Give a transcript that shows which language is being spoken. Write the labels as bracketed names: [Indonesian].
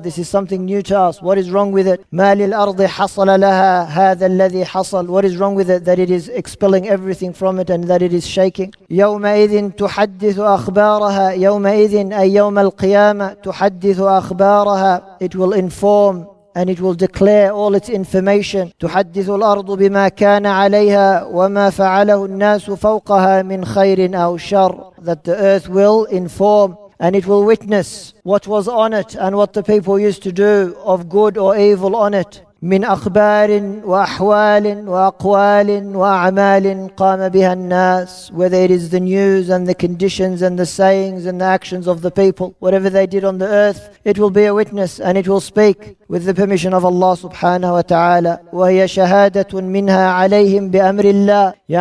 [English] This is something new to us. What is wrong with it? [Arabic] مَا لِلْأَرْضِ حَصَلَ لَهَا هَذَا الَّذِي حَصَلَ. [English] What is wrong with it? That it is expelling everything from it and that it is shaking. [Arabic] يَوْمَئِذٍ تُحَدِّثُ أَخْبَارَهَا. يَوْمَئِذٍ أَي يَوْمَ الْقِيَامَةِ تُحَدِّثُ أَخْبَارَهَا. [English] It will inform and it will declare all its information. [Arabic] تحدث الأرض بما كان عليها وما فعله الناس فوقها من خير أو شر. [English] That the earth will inform and it will witness what was on it and what the people used to do of good or evil on it. [Arabic] من أخبار وأحوال وأقوال وأعمال قام بها الناس. [English] Whether it is the news and the conditions and the sayings and the actions of the people, whatever they did on the earth, it will be a witness and it will speak with the permission of Allah subhanahu wa ta'ala. [Arabic] وهي شهادة منها عليهم بأمر الله.